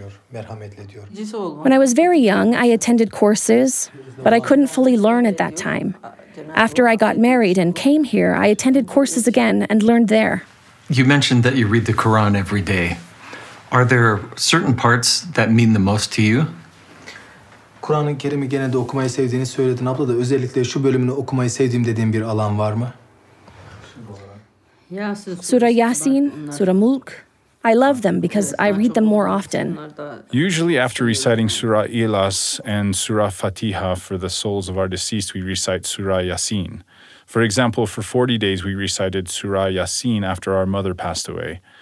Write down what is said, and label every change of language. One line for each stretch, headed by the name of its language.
English: When I was very young, I attended courses, but I couldn't fully learn at that time. After I got married and came here, I attended courses again and learned there. You mentioned that you read the Quran every day. Are there certain parts that mean the most to you?
Turkish: Kur'an-ı Kerim'i genelde okumayı sevdiğini söyledin abla da özellikle şu bölümünü okumayı sevdiğim dediğin bir alan var mı?
English: Sura Yasin, Sura Mulk. I love them because I read them more often. Usually after reciting Sura İhlas and Sura Fatiha for the souls of our deceased, we recite Sura Yasin. For example, for 40 days we recited Sura Yasin after our mother passed away.